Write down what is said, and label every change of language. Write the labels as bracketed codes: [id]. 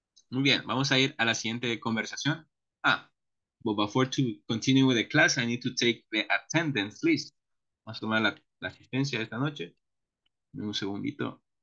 [es] Muy bien, vamos a ir a la siguiente conversación. [en] Ah, but before to continue with the class, I need to take the attendance list. [es] Vamos a tomar la asistencia de esta noche. Un segundito.